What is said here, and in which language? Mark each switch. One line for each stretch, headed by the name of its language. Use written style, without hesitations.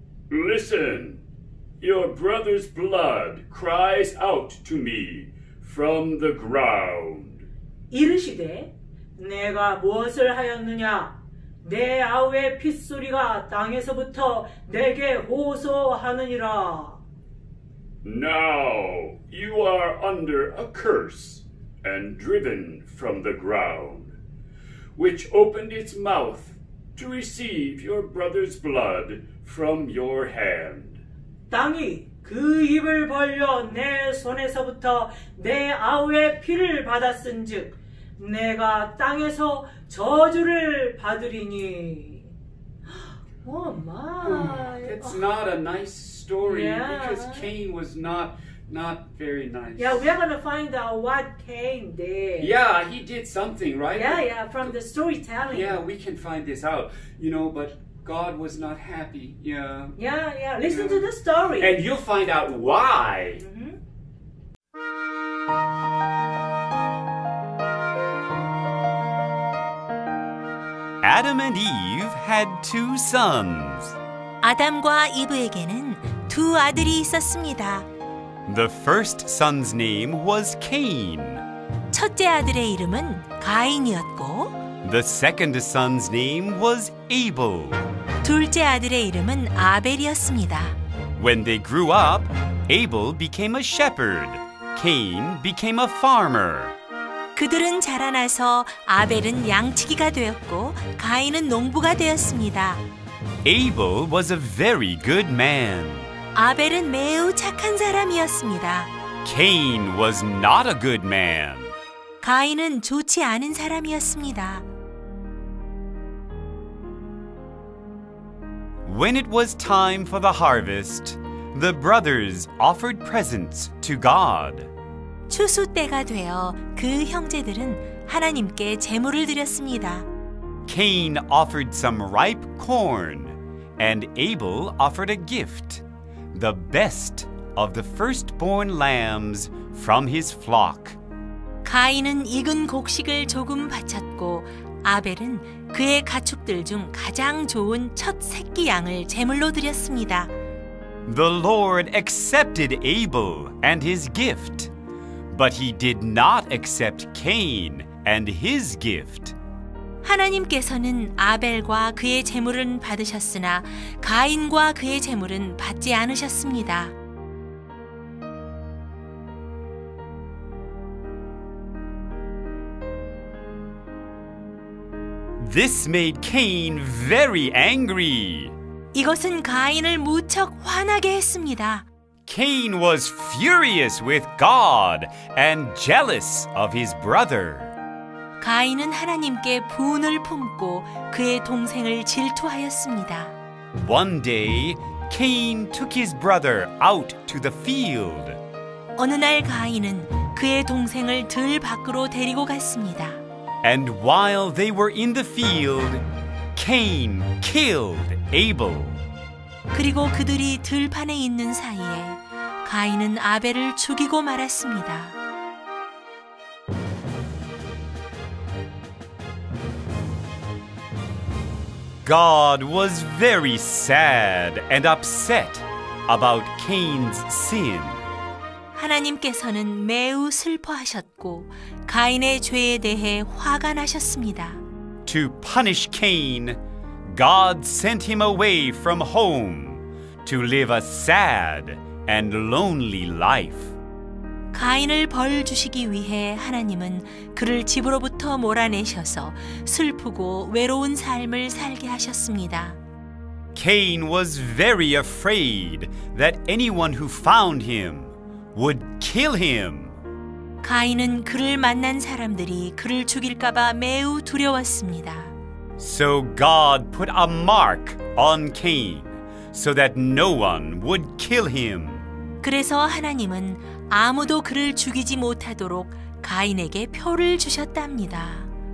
English: Listen, your brother's blood cries out to me from the ground."
Korean: 이르시되 내가 무엇을 하였느냐? 내 아우의 핏소리가 땅에서부터 내게 호소하느니라.
English: Now you are under a curse and driven from the ground, which opened its mouth to receive your brother's blood from your hand.
Korean: 땅이 그 입을 벌려 내 손에서부터 내 아우의 피를 받았은즉 내가 땅에서 저주를 받으리니.
English: Oh my. It's not a nice story because Cain was not very nice. Yeah, we are going to find out what Cain did. Yeah, he did something, right? Yeah, from the storytelling. Yeah, we can find this out, you know, but God was not happy. Yeah. Listen to the story. And you'll find out why. Adam and Eve had two sons.
Korean: 아담과 이브에게는 두 아들이 있었습니다.
English: The first son's name was Cain.
Korean: 첫째 아들의 이름은 가인이었고
English: The second son's name was Abel.
Korean: 둘째 아들의 이름은 아벨이었습니다.
English: When they grew up, Abel became a shepherd. Cain became a farmer.
Korean: 그들은 자라나서 아벨은 양치기가 되었고 가인은 농부가 되었습니다.
English: Abel was a very good man.
Korean: 아벨은 매우 착한 사람이었습니다.
English: Cain was not a good man.
Korean: 가인은 좋지 않은 사람이었습니다.
English: When it was time for the harvest, the brothers offered presents to God.
Korean: 추수 때가 되어 그 형제들은 하나님께 제물을 드렸습니다.
English: Cain offered some ripe corn, and Abel offered a gift, the best of the firstborn lambs from his flock.
Korean: 가인은 익은 곡식을 조금 바쳤고 아벨은 그의 가축들 중 가장 좋은 첫 새끼 양을 제물로 드렸습니다.
English: The Lord accepted Abel and his gift. But he did not accept Cain and his gift.
Korean: 하나님께서는 아벨과 그의 제물은 받으셨으나 가인과 그의 제물은 받지 않으셨습니다.
English: This made Cain very angry.
Korean: 이것은 가인을 무척 화나게 했습니다.
English: Cain was furious with God and jealous of his brother.
Korean: 가인은 하나님께 분을 품고 그의 동생을 질투하였습니다.
English: One day, Cain took his brother out to the field.
Korean: 어느 날 가인은 그의 동생을 들 밖으로 데리고 갔습니다.
English: And while they were in the field, Cain killed Abel.
Korean: 그리고 그들이 들판에 있는 사이에 가인은 아벨을 죽이고 말았습니다.
English: God was very sad and upset about Cain's sin.
Korean: 하나님께서는 매우 슬퍼하셨고 가인의 죄에 대해 화가 나셨습니다.
English: To punish Cain, God sent him away from home to live a sad and lonely life.
Korean: 가인을 벌 주시기 위해 하나님은 그를 집으로부터 몰아내셔서 슬프고 외로운 삶을 살게 하셨습니다.
English: Cain was very afraid that anyone who found him would kill him.
Korean: 가인은 그를 만난 사람들이 그를 죽일까 봐 매우 두려웠습니다.
English: So God put a mark on Cain so that no one would kill him.
Korean: 그래서 하나님은 아무도 그를 죽이지 못하도록 가인에게 표를 주셨답니다.